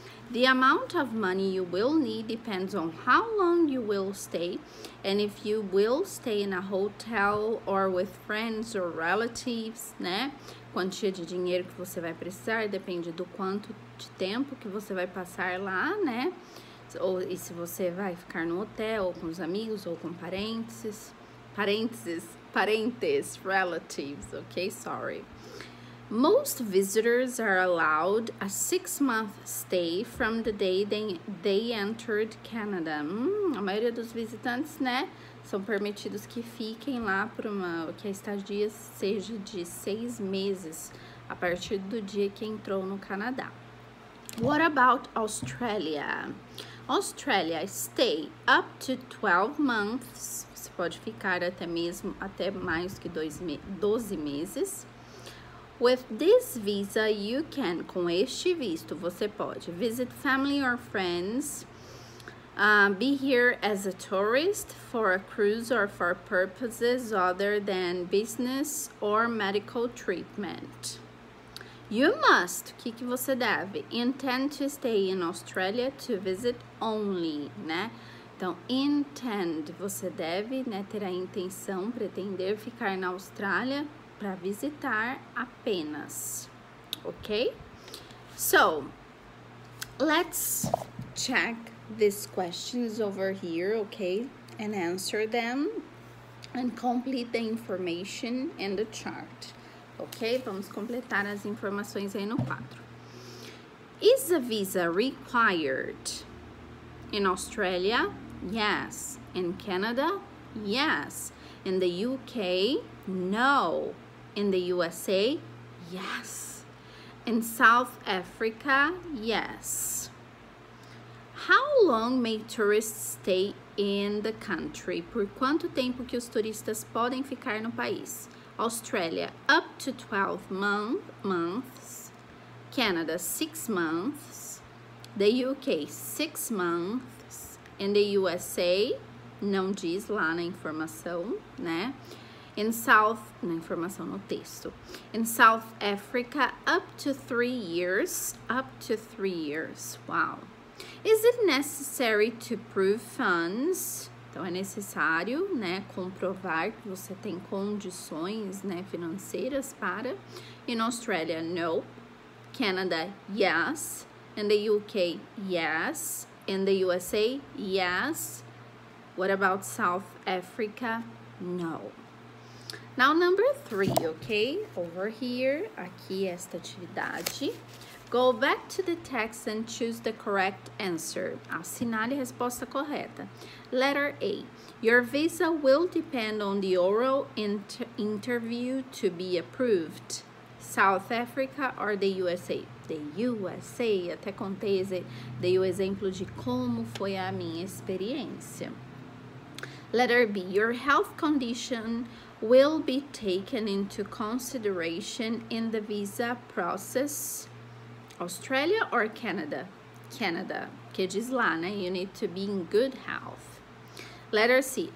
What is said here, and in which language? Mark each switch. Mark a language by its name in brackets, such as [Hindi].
[English] The amount of money you will need depends on how long you will stay and if you will stay in a hotel or with friends or relatives, né? [Portuguese] Quantia de dinheiro que você vai precisar depende do quanto de tempo que você vai passar lá, né? Ou e se você vai ficar no hotel ou com os amigos ou com parênteses. [English] Parentes, relatives, okay, sorry. Most visitors are allowed a 6-month stay from the day they entered Canada. [Portuguese] A maioria dos visitantes, né, são permitidos que fiquem lá por uma, que a estadia seja de 6 meses a partir do dia que entrou no Canadá. [English] What about Australia? Australia, stay up to 12 months. [Portuguese] Você pode ficar até mesmo, até mais que 12 meses. [English] With this visa, you can, [Portuguese] com este visto, você pode [English] visit family or friends, be here as a tourist for a cruise or for purposes other than business or medical treatment. You must, [Portuguese] o que você deve, [English] intend to stay in Australia to visit only, né? [Portuguese] Então, intend, você deve, né, ter a intenção, pretender ficar na Austrália para visitar apenas, ok? [English] So, let's check these questions over here, ok? And answer them and complete the information in the chart. Ok? [Portuguese] Vamos completar as informações aí no quadro. [English] Is a visa required in Australia? Yes. In Canada? Yes. In the UK? No. In the USA? Yes. In South Africa? Yes. How long may tourists stay in the country? [Portuguese] Por quanto tempo que os turistas podem ficar no país? [English] Australia, up to 12 months, Canada, 6 months, the UK, 6 months, in the USA, [Portuguese] não diz lá na informação, né, [English] in South, [Portuguese] na informação no texto, [English] in South Africa, up to 3 years, up to 3 years, wow. Is it necessary to prove funds? [Portuguese] Então, é necessário, né, comprovar que você tem condições, né, financeiras para. [English] In Australia, no. Canada, yes. In the UK, yes. In the USA, yes. What about South Africa? No. Now, number 3, ok? Over here, [Portuguese] aqui esta atividade. [English] Go back to the text and choose the correct answer. [Portuguese] Assinale a resposta correta. [English] Letter A. Your visa will depend on the oral interview to be approved. South Africa or the USA? The USA. [Portuguese] Até contei, dei o exemplo de como foi a minha experiência. [English] Letter B. Your health condition will be taken into consideration in the visa process. Australia or Canada? Canada. [Portuguese] Que diz lá, né? [English] You need to be in good health. Letter C.